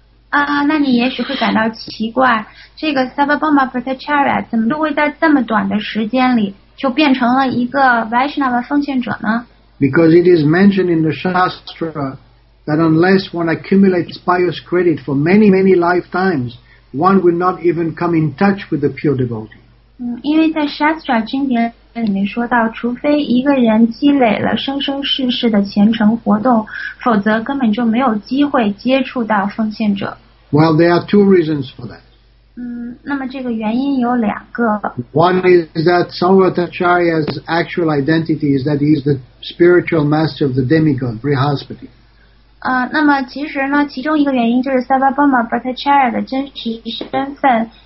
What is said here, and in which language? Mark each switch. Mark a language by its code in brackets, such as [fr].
[zh] 那你也许会感到奇怪，这个 Sarvabhattacharya 怎么就会在这么短的时间里就变成了一个 Vaishnava 奉献者呢？ [en] Because it is mentioned in the Shastra that unless one accumulates pious credit for many, many lifetimes, one will not even come in touch with the pure devotee. [zh] 因为在 Shastra 经典里面说到，除非一个人积累了生生世世的虔诚活动，否则根本就没有机会接触到奉献者。 [en] Well, there are two reasons for that. [zh] 那么这个原因有两个。 [en] One is that Sarvabhattacharya's actual identity is that he is the spiritual master of the demigod Brihaspati. [zh] 那么其实呢，其中一个原因就是 Sarvabhattacharya 的真实身份。